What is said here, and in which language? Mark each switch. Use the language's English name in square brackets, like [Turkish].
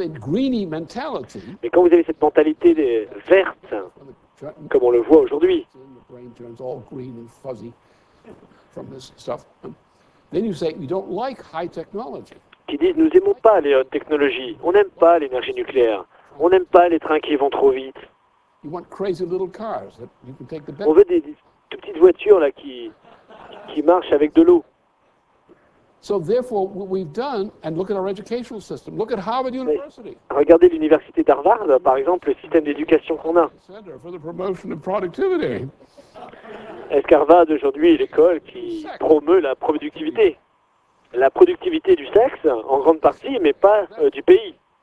[French] Mais quand vous avez cette mentalité verte, comme on le voit aujourd'hui, qui disent, nous n'aimons pas les hautes technologies, on n'aime pas l'énergie nucléaire, on n'aime pas les trains qui vont trop vite. On veut des toutes petites voitures là, qui marchent avec de l'eau. [English] So therefore, what we've done, and look at our educational system. Look at Harvard University. [French] Regardez l'université d'Harvard, par exemple, le système d'éducation qu'on a. [English] Center for the promotion of productivity. [French] Est-ce qu'Harvard aujourd'hui est l'école qui promeut la productivité? La productivité du sexe, en grande partie, mais pas du pays.